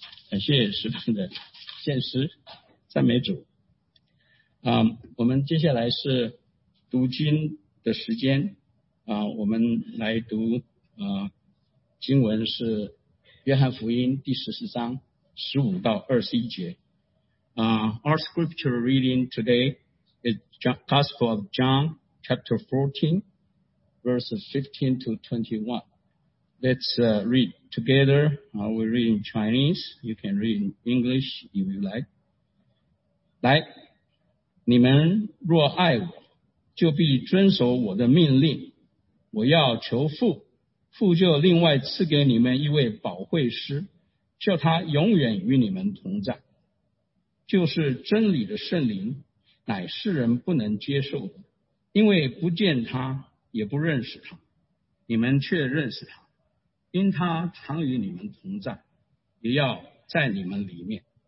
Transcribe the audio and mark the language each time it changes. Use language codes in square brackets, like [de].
[zh] 感谢十分的献诗，赞美主。我们接下来是读经的时间，我们来读经文是约翰福音第14章15-21节。 [en] Our scripture reading today is Gospel of John chapter 14 verses 15-21. Let's read together. We read in Chinese. You can read in English if you like. [zh] 来，你们若爱我，就必遵守我的命令。我要求父，父就另外赐给你们一位保惠师，叫他永远与你们同在，就是真理的圣灵，乃世人不能接受的，因为不见他，也不认识他，你们却认识他，因他常与你们同在，也要在你们里面。